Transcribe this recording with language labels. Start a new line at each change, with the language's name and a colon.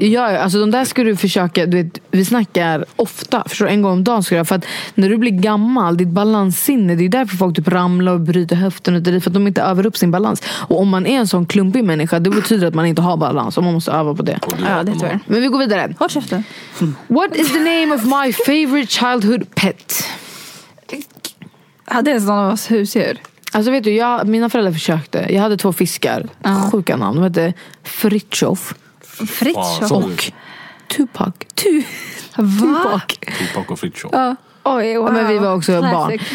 Swedish: Ja, alltså de där ska du försöka, du vet, vi snackar ofta, förstår du, en gång om dagen ska du, för att när du blir gammal, ditt balanssinne, det är därför folk typ ramlar och bryter höften ut, för att de inte övar upp sin balans. Och om man är en sån klumpig människa, det betyder att man inte har balans och man måste öva på det. Ja, det tror jag. Men vi går vidare. Håll käften.
English: What is the name of my favorite childhood pet?
Swedish: Hade en sån av oss husdjur? Alltså vet du, mina föräldrar försökte. Jag hade två fiskar, sjuka namn. De hette Fritjof. Fritjof? Och Tupac. Tupac. Tupac och Fritjof. Oj, wow. Men vi var också classic barn.